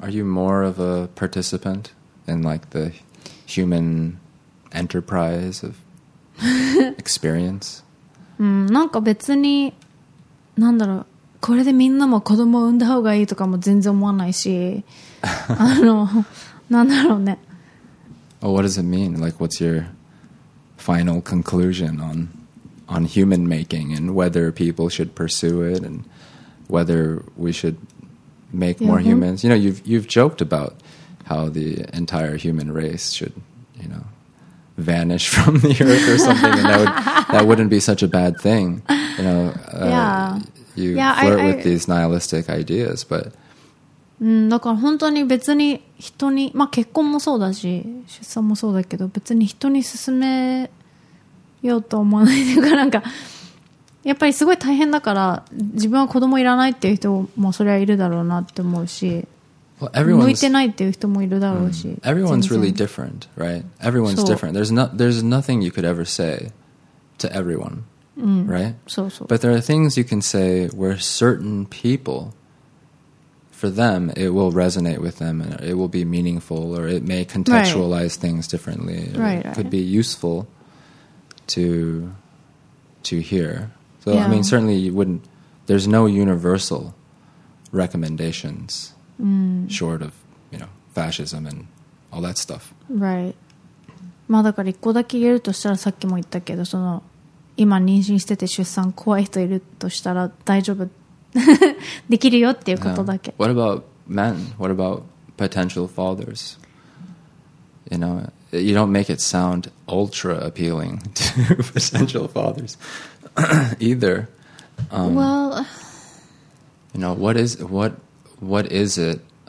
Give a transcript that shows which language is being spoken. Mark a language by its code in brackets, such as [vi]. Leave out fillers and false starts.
[en] Are you more of a participant in like the human enterprise of experience? [ja] なんか別になんだろう、これでみんなも子供を産んだ方がいいとかも全然思わないし、なんだろうね。 [en] Oh, what does it mean? Like, what's your final conclusion on human making and whether people should pursue it and whether we should make more humans. You know, you've joked about how the entire human race should, you know, vanish from the earth or something, and that wouldn't be such a bad thing. You know, flirt with these nihilistic ideas, but... [ja] だから本当に別に人に、まあ結婚もそうだし、出産もそうだけど、別に人に勧めようと思わないというか、なんかやっぱりすごい大変だから、自分は子供いらないっていう人もそれはいるだろうなって思うし、向いてないっていう人もいるだろうし、 [en] Everyone's really different, right? Everyone's different. There's nothing you could ever say to everyone, right? [ja] そうそう。 [en] But there are things you can say where certain people, for them, it will resonate with them and it will be meaningful, or it may contextualize right. things differently. Right, right. It could be useful to hear. So, yeah. I mean, certainly you wouldn't, there's no universal recommendations short of, you know, fascism and all that stuff. Right. [ja] まあだから一個だけ言えるとしたら、さっきも言ったけど、その今妊娠してて出産怖い人いるとしたら大丈夫できるよっていうことだけ。 [en] Yeah. What about men? What about potential fathers? You know, you don't make it sound ultra appealing to potential fathers either. Well, you know, what is it?